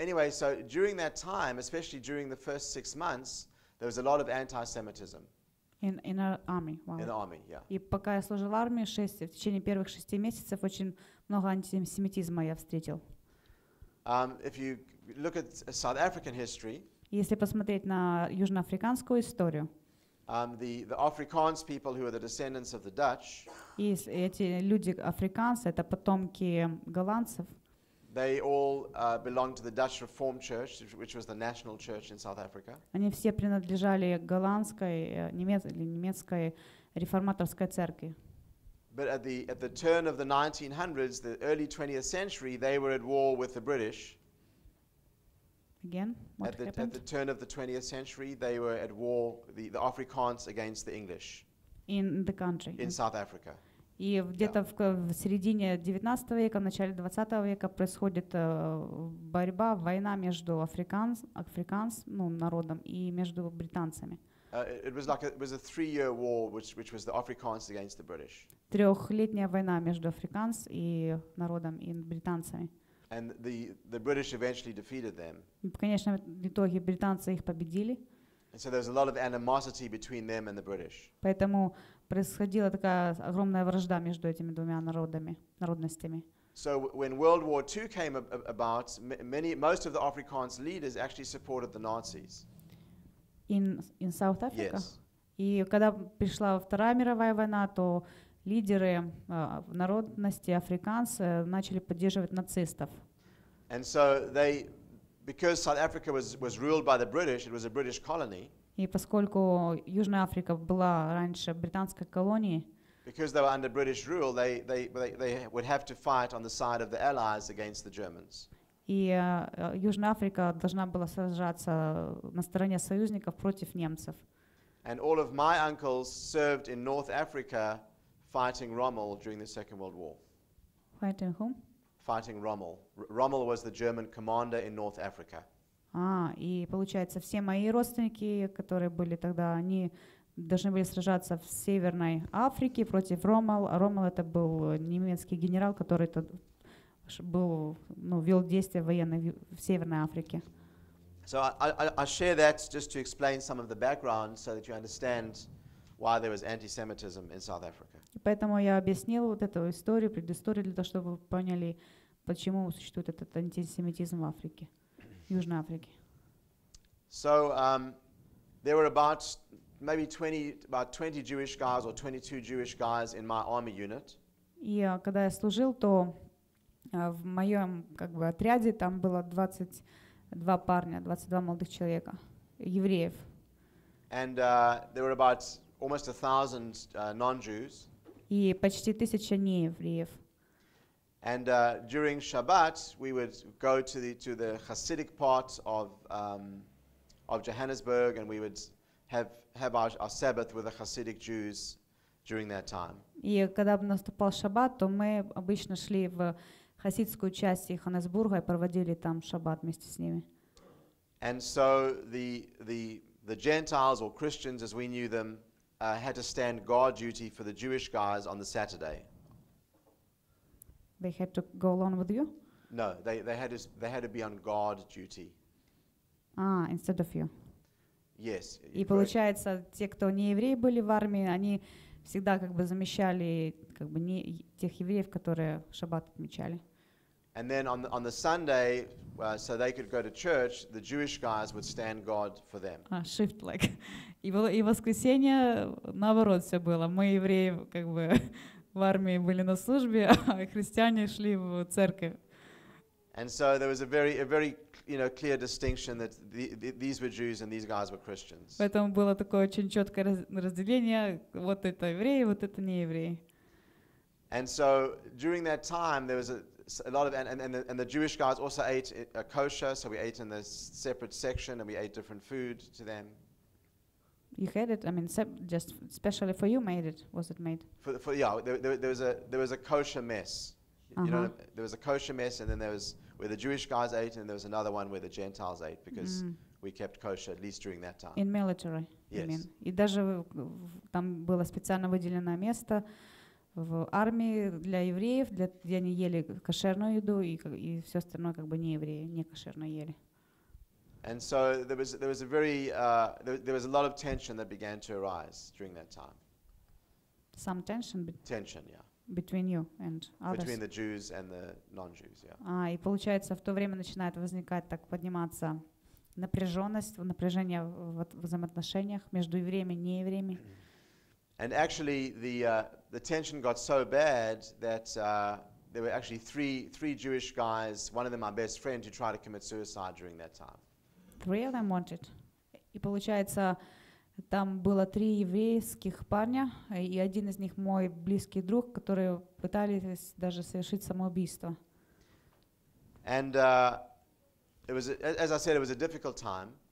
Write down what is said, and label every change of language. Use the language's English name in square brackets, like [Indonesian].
[English] So during that time, especially during the first 6 months, there was a lot of anti-Semitism. In our army. Wow. In the army, yeah. [Russian] И пока я служил в армии, в течение первых 6 месяцев очень много антисемитизма я встретил. [English] If you look at South African history. [Russian] Если посмотреть на южноафриканскую историю. [English] The Afrikaans people who are the descendants of the Dutch. [Russian] И эти люди африканцы, это потомки голландцев. [English] They all belonged to the Dutch Reformed Church, which was the national church in South Africa. [Russian] Они все принадлежали голландской немецкой реформаторской церкви. [English] But at the turn of the 1900s, the early 20th century, they were at war with the British. Again, what happened? At the turn of the 20th century, they were at war, the Afrikaans against the English. In the country. In South Africa. [Russian] И где-то в середине 19 века, в начале 20 века происходит борьба, война между народом и между британцами. Трехлетняя война между африканс и народом и британцами. [English] And the British eventually defeated them. [Russian] Конечно, в итоге британцы их победили. [English] And so there's a lot of animosity between them and the British. [Russian] Поэтому происходила такая огромная вражда между этими двумя народами, народностями. [English] So when World War II came about, most of the Afrikaans leaders actually supported the Nazis. In South Africa? Yes. [Russian] И когда пришла Вторая мировая война, то лидеры народности африканцы начали поддерживать нацистов. [English] And so they, because South Africa was ruled by the British, it was a British colony. [Russian] И поскольку Южная Африка была раньше британской колонией, [English] because they were under British rule, they would have to fight on the side of the Allies against the Germans. [Russian] И Южная Африка должна была сражаться на стороне союзников против немцев. [English] And all of my uncles served in North Africa fighting Rommel during the Second World War. Fighting whom? Fighting Rommel. Rommel was the German commander in North Africa. [Russian] А, и получается, все мои родственники, которые были тогда, они должны были сражаться в Северной Африке против Ромал. Ромал это был немецкий генерал, который был, ну, вел действия военные в Северной Африке. [English] So I share that just to explain some of the background so that you understand why there was anti-Semitism in South Africa. [Russian] Поэтому я объяснил вот эту историю, предысторию, для того, чтобы вы поняли, почему существует этот антисемитизм в Африке, в Южной Африке. [English] So there were about 20 Jewish guys or 22 Jewish guys in my army unit. [Russian] И когда я служил, то в моем как бы отряде там было 22 парня, 22 молодых человека, евреев. [English] And there were about almost 1,000 non-Jews. [Russian] И почти 1,000 неевреев. [English] And during Shabbat we would go to the Hasidic part of Johannesburg and we would have our Sabbath with the Hasidic Jews during that time. [Russian] И когда наступал Шаббат, то мы обычно шли в хасидскую часть Йоханнесбурга и проводили там Шаббат вместе с ними. [English] And so the Gentiles or Christians, as we knew them, had to stand guard duty for the Jewish guys on the Saturday. They had to go along with you? No, they had to be on guard duty. Ah, instead of you. Yes. [Russian] И получается, те, кто не евреи были в армии, они всегда как бы замещали как бы не тех евреев, которые Шаббат отмечали. [English] And then on the Sunday, so they could go to church, the Jewish guys would stand guard for them. А shift like. [Russian] И воскресенье наоборот все было. Мы евреи как бы в армии были на службе, а христиане шли в церковь. [English] And so there was a very you know, clear distinction that these were Jews and these guys were Christians. [Russian] Поэтому было такое очень четкое разделение: вот это евреи, вот это не евреи. [English] And so during that time there was a lot of and the Jewish guys also ate a kosher, so we ate in this separate section and we ate different food to them. You had it? I mean, just specially for you, made it? Was it made? There was a kosher mess. You know, there was a kosher mess, and then there was where the Jewish guys ate, and there was another one where the Gentiles ate because we kept kosher at least during that time. In military, yes. I mean. [Russian] И даже там было специально выделено место в армии для евреев, для где они ели кошерную еду и все остальное как бы не евреи, не кошерно ели. [English] And so there was a very there was a lot of tension that began to arise during that time. Some tension. Tension, yeah. Between you and others. Between the Jews and the non-Jews, yeah. [Russian] А и получается в то время начинает возникать так подниматься напряженность, напряжение в взаимоотношениях между евреями и неевреями. [English] And actually, the tension got so bad that there were actually three Jewish guys, one of them my best friend, who tried to commit suicide during that time. Three of them wanted. [Russian] И получается, там было три еврейских парня, и один из них мой близкий друг, которые пытались даже совершить самоубийство. [English] And it was, as I said, it was a difficult time.